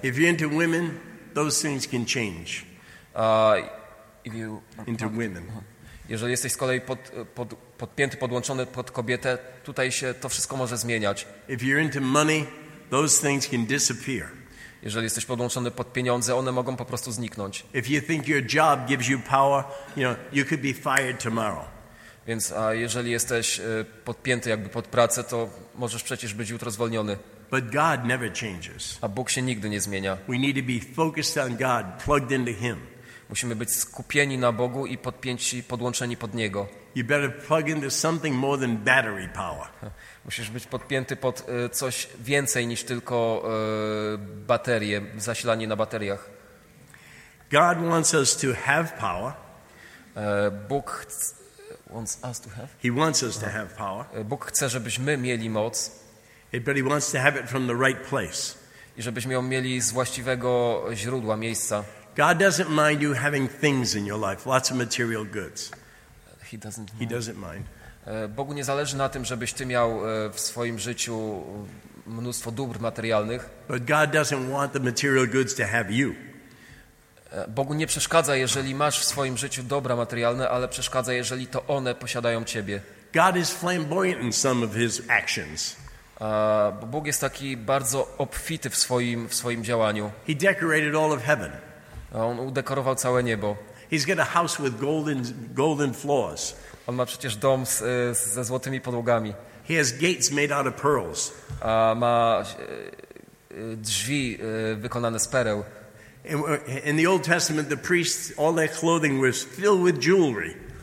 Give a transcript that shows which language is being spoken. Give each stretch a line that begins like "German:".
English: If you're into women, those things can change. into women.
Polish: Jeżeli jesteś z kolei podpięty, podłączony pod kobietę, tutaj się to wszystko może zmieniać.
English: If you're into money, those things can disappear.
Polish: Jeżeli jesteś podłączony pod pieniądze, one mogą po prostu zniknąć.
English: If you think your job gives you power, you know, you could be fired tomorrow.
Polish: Więc a jeżeli jesteś podpięty jakby pod pracę, to możesz przecież być jutro zwolniony.
English: But God never changes.
Polish: A Bóg się nigdy nie zmienia.
English: We need to be focused on God, plugged into Him.
Polish: Musimy być skupieni na Bogu i podpięci, podłączeni pod Niego.
English: You better plug into something more than battery power.
Polish: Musisz być podpięty pod coś więcej niż tylko baterie, zasilanie na bateriach.
English: God wants us to have power. Bóg wants us to have. He wants us to have power.
Polish: Bóg chce, żebyśmy mieli moc.
English: But he wants to have it from the right place.
Polish: I żebyśmy ją mieli z właściwego źródła, miejsca.
English: God doesn't mind you having things in your life, lots of material goods. He doesn't mind.
Polish: Bogu nie zależy na tym, żebyś ty miał w swoim życiu mnóstwo dóbr materialnych.
English: But God doesn't want the material goods to have you.
Polish: Bogu nie przeszkadza, jeżeli masz w swoim życiu dobra materialne, ale przeszkadza, jeżeli to one posiadają ciebie.
English: God is flamboyant in some of his actions.
Polish: Bóg jest taki bardzo obfity w swoim działaniu.
English: He decorated all of heaven.
Polish: On udekorował całe niebo.
English: He's got a house with golden floors.
Polish: On ma przecież dom ze złotymi podłogami.
English: He has gates made out of pearls.
Polish: Ma drzwi wykonane z pereł.
English: In the Old Testament, the priests, all their clothing was filled with jewelry.